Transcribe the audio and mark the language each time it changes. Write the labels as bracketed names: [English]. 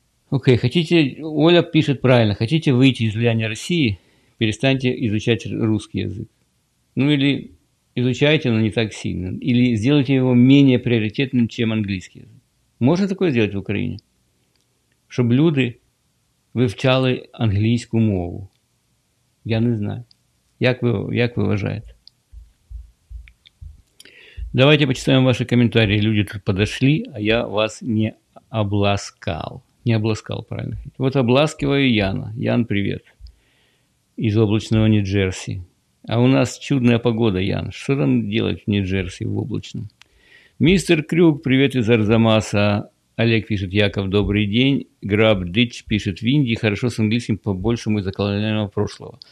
[Russian] Окей, хотите... Оля пишет правильно. Хотите выйти из влияния России, перестаньте изучать русский язык. Ну или изучайте, но не так сильно. Или сделайте его менее приоритетным, чем английский язык. Можно такое сделать в Украине? Чтобы люди... [Ukrainian] вивчали англійську мову. Я не знаю. Як ви вважаєте? Давайте почитаємо ваші коментарі. Люди тут підійшли, а я вас не обласкав. Не обласкав, правильно. [Russian] Вот обласкиваю Яна. Ян, привет. Из облачного Нью-Джерси. А у нас чудная погода, Ян. Що там делать в Нью-Джерси, в облачном? Мистер Крюк, привет из Арзамаса. Олег пишет, Яков, добрый день. Граб Дич пишет, в Индии хорошо с английским по-большему из-за колониального прошлого.